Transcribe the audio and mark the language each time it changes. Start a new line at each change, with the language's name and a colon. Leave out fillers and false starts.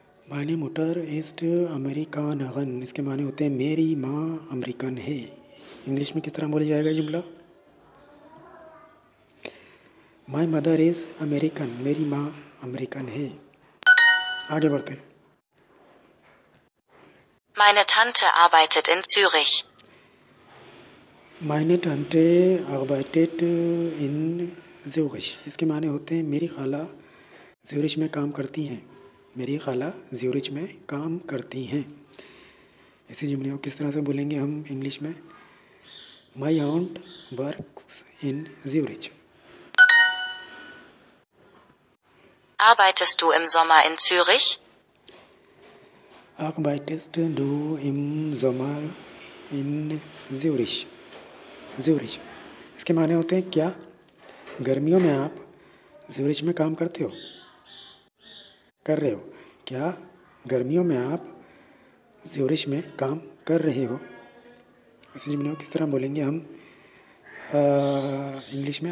German: माइने मुटर इस्ट अमेरिकानरिन,
Hindi: इसके माने होते हैं मेरी माँ अमेरिकन है। इंग्लिश में किस तरह बोला जाएगा जुमला?
English: my mother is American,
Hindi: मेरी माँ अमेरिकन है। आगे बढ़ते हैं।
German: Meine Tante arbeitet in Zürich. Meine Tante arbeitet in Zürich.
Hindi: इसके माने होते हैं मेरी खाला ज्यूरिश में काम करती हैं, मेरी खाला ज्यूरिश में काम करती हैं। ऐसी जुमले को किस तरह से बोलेंगे हम इंग्लिश में?
English: My aunt works in Zurich.
German: Arbeitest du im Sommer in Zürich? Arbeitest du im Sommer in Zürich? Zürich.
Hindi: इसके माने होते हैं क्या गर्मियों में आप ज्यूरिश में काम करते हो, कर रहे हो? क्या गर्मियों में आप ज्यूरिश में काम कर रहे हो? ऐसे जुमले को किस तरह बोलेंगे हम इंग्लिश में?